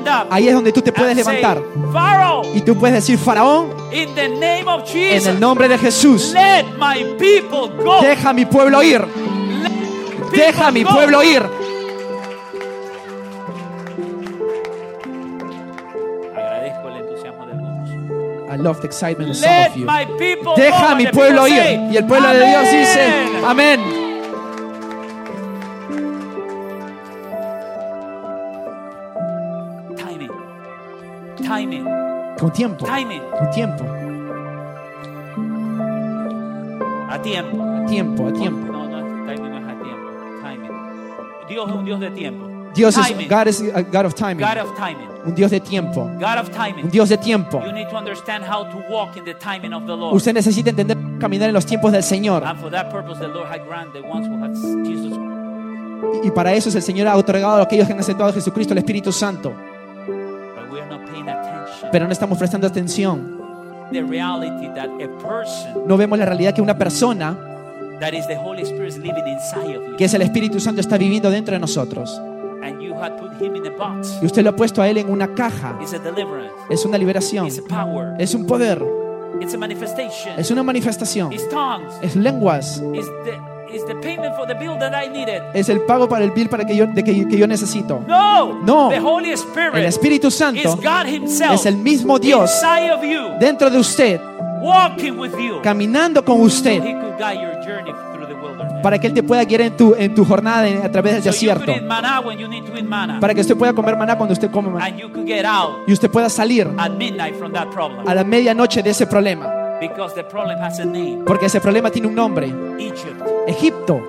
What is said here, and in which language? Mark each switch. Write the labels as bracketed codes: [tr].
[es] Ahí es donde tú te puedes levantar y tú puedes decir: Faraón, en el nombre de Jesús, deja a mi pueblo ir, deja a mi pueblo ir. [en] I love the excitement of some of you. My people, [es] deja a mi pueblo ir. Y el pueblo de Dios dice: amén. [en] Timing. Timing. [es] Con tiempo. [en] Timing. [es] Con tiempo. A tiempo. A tiempo, a tiempo. No, no, timing no es a tiempo. Timing. Dios es un Dios de tiempo. Dios es, [en] God is a God of timing. God of timing. [es] Un Dios de tiempo. [en] God of timing. [es] Un Dios de tiempo. [en] You need to understand how to walk in the timing of the Lord. [es] Usted necesita entender caminar en los tiempos del Señor. [en] And for that purpose, the Lord had granted the ones who had Jesus Christ. [es] Y para eso es el Señor ha otorgado a aquellos que han aceptado a Jesucristo el Espíritu Santo. [en] But we are not paying attention. [es] Pero no estamos prestando atención. [en] The reality that a person. [es] No vemos la realidad que una persona. [en] That is the Holy Spirit living inside of you. [es] Que es el Espíritu Santo está viviendo dentro de nosotros. [en] And you had put him in a box. [es] Y usted lo ha puesto a él en una caja. [en] It's a deliverance. [es] Es una liberación. [en] It's a power. [es] Es un poder. [en] It's a manifestation. [es] Es una manifestación. [en] It's tongues. [es] Es lenguas. [en] It's the payment for the bill that I needed. [es] Es el pago para el bill para que yo necesito. [en] No. [es] No. [en] The Holy Spirit. [es] El Espíritu Santo. [en] Is God himself. [es] Es el mismo Dios. [en] Inside of you. [es] Dentro de usted. [en] Walking with you. [es] Caminando con usted. [en] So he could guide your journey through the wilderness. [es] Para que él te pueda guiar en tu jornada a través del desierto. Para que usted pueda comer maná cuando usted come maná. [en] And you could get out. [es] Y usted pueda salir. [en] At midnight from that problem. [es] A la medianoche de ese problema. [en] Because the problem has a name. [es] Porque ese problema tiene un nombre. [en] Egypt. [es] Egipto.